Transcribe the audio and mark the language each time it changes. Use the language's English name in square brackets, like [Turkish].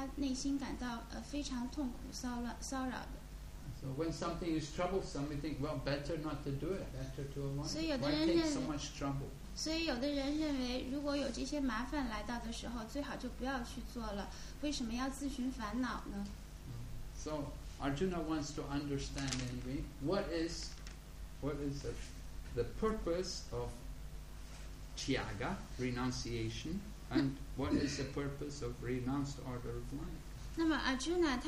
[Chinese] 所以对他来说，要杀人，要和这样的人进行战斗，是让他内心感到非常痛苦、骚扰的。 [English] So when something is troublesome, we think, well, better not to do it, better to avoid it. [Chinese] 所以有的人认为, [English] why take so much trouble? [Chinese] 所以有的人认为，如果有这些麻烦来到的时候，最好就不要去做了。为什么要自寻烦恼呢？ [English] So Arjuna wants to understand anyway, what is the purpose of tyaga, renunciation, and what is the purpose of renounced order of life?